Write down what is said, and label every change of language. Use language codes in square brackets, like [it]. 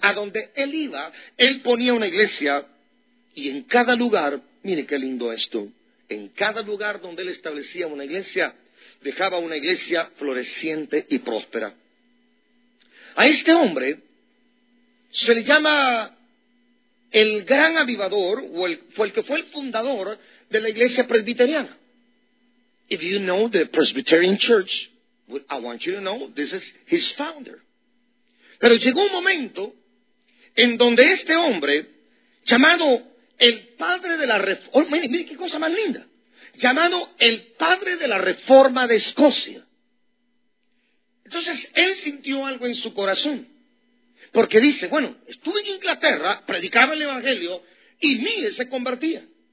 [es] A donde él iba, él ponía una iglesia, y en cada lugar, mire qué lindo esto, en cada lugar donde él establecía una iglesia, dejaba una iglesia floreciente y próspera. A este hombre se le llama el gran avivador, o el que fue el fundador de la iglesia presbiteriana. [en] If you know the Presbyterian Church, I want you to know this is his founder. [es] Pero llegó un momento en donde este hombre, llamado el padre de la reforma, oh, mire qué cosa más linda, llamado el padre de la reforma de Escocia. Entonces él sintió algo en su corazón, porque dice, bueno, estuve en Inglaterra, predicaba el evangelio y miles se convertían.